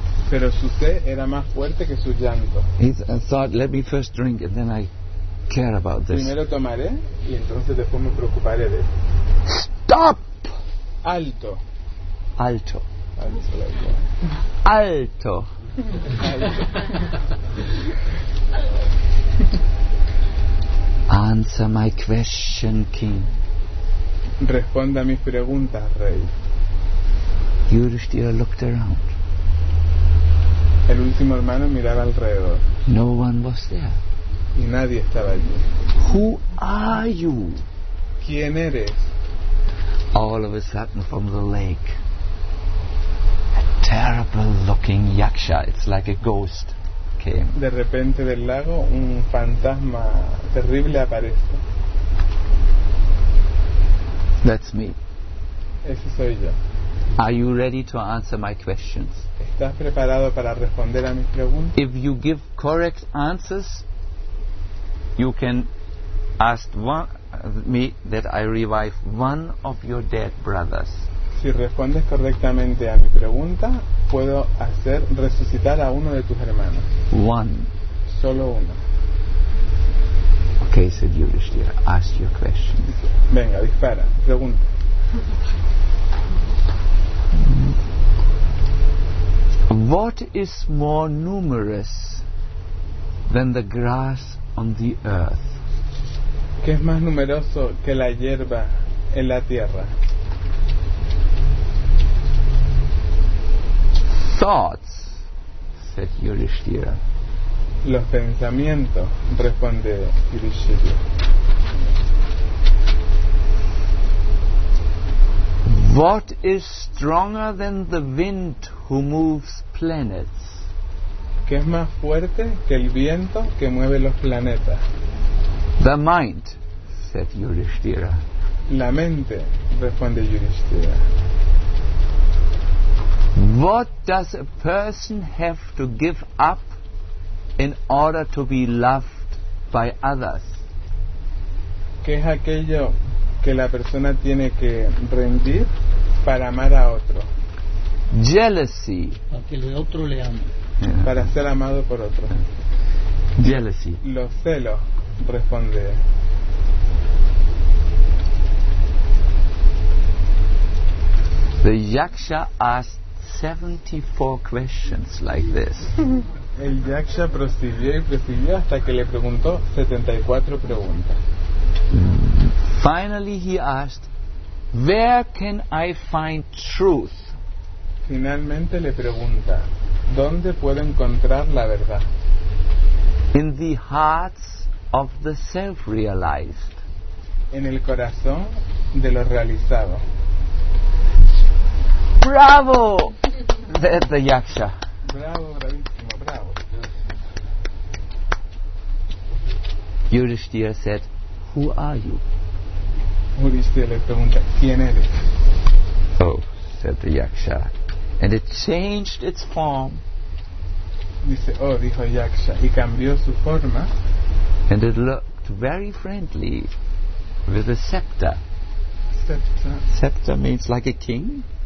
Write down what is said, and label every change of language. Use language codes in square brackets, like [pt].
[es] Pero su sed era más fuerte que su llanto. [en] He thought, let me first drink and then I care about this. [es] Primero tomaré y entonces después me preocuparé de esto. [en] Stop! [es] Alto. Alto. Alto. Alto. [en] Answer my question, King. [es] Responda a mis preguntas, rey. [en] Yudhishthira looked around. [es] El último hermano miraba alrededor. [en] No one was there. [es] Y nadie estaba allí. [en] Who are you? [es] ¿Quién eres? [en] All of a sudden from the lake, a terrible looking yaksha, it's like a ghost, came. [es] De repente del lago un fantasma terrible aparece. [en] That's me. [es] Ese soy yo. [en] Are you ready to answer my questions? [es] ¿Estás preparado para responder a mis preguntas? [en] If you give correct answers, you can ask me that I revive one of your dead brothers. [es] Si respondes correctamente a mi pregunta, puedo hacer resucitar a uno de tus hermanos. [en] One. [es] Solo uno. [en] Okay, said Yudhishthira, ask your question. [es] Venga, dispara, pregunta. [en] What is more numerous than the grass on the earth? [es] ¿Qué es más numeroso que la hierba en la tierra? [en] Thoughts, said Yudhishthira. [es] Los pensamientos, responde Yudhishthira. [en] What is stronger than the wind who moves planets? [es] ¿Qué es más fuerte que el viento que mueve los planetas? [en] The mind, said Yudhishthira. [es] La mente, responde Yudhishthira. [en] What does a person have to give up in order to be loved by others? [es] ¿Qué es aquello que la persona tiene que rendir para amar a otro? [en] Jealousy. [es] Para que el otro le ame. Para ser amado por otro. [en] Jealousy. [es] Los celos, responde. [en] The yaksha asked 74 questions like this. [es] El yaksha prosiguió y prosiguió hasta que le preguntó 74 preguntas. [en] Finally he asked, where can I find truth? [es] Finalmente le pregunta, ¿dónde puedo encontrar la verdad? [en] In the hearts of the self-realized. [es] En el corazón de lo realizado. [en] Bravo! That's the yaksha. [es] Bravo, bravissimo, bravo. [en] Yudhishthira said, who are you? [es] Yudhishthira le pregunta, ¿quién eres? [en] Oh, said the yaksha. And it changed its form. [es] Dice, oh, dijo yaksha, y cambió su forma. [en] And it looked very friendly with a scepter. Scepter. Scepter means like a king.